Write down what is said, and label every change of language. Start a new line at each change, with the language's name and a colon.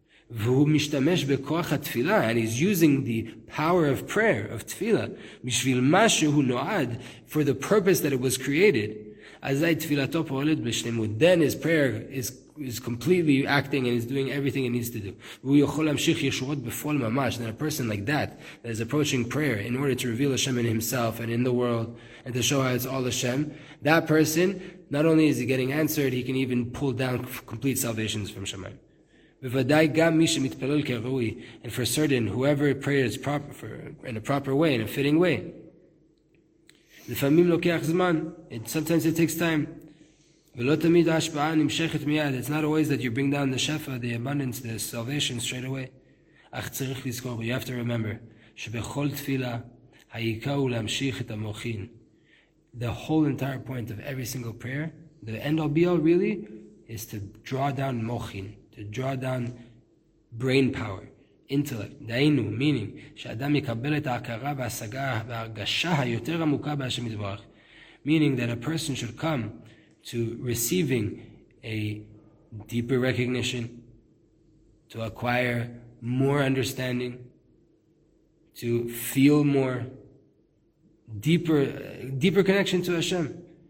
Hebrew: והוא משתמש בכוח התפילה,
English: and He's using the power of prayer, of תפילה,
Hebrew: בשביל מה שהוא נועד,
English: for the purpose that it was created,
Hebrew: אזי תפילתו פועלת בשלמות,
English: then His prayer is completely acting and is doing everything it needs to do.
Hebrew: והוא יכול להמשיך ישועות בפועל ממש.
English: And a person like that, that is approaching prayer in order to reveal Hashem in himself and in the world, and to show how it's all Hashem, that person, not only is he getting answered, he can even pull down complete salvations from Shemayim.
Hebrew: בוודאי גם מי שמתפלל כראוי,
English: and for certain, whoever prays proper, for, in a proper way, in a fitting way.
Hebrew: לפעמים לוקח זמן,
English: and sometimes it takes time.
Hebrew: ולא תמיד ההשפעה נמשכת מיד.
English: It's not always that you bring down the shefa, the abundance, the salvation straight away.
Hebrew: אך צריך לזכור,
English: you have to remember,
Hebrew: שבכל תפילה, העיקר הוא להמשיך את המוחין.
English: the whole entire point of every single prayer, the end all be all really, is to draw down mochin, to draw down brain power, intellect. Dainu, meaning,
Hebrew: שאדם יקבל את ההכרה והשגה והרגשה היותר עמוקה בהשם יתברך,
English: meaning that a person should come to receiving a deeper recognition, to acquire more understanding, to feel more, deeper connection to Hashem.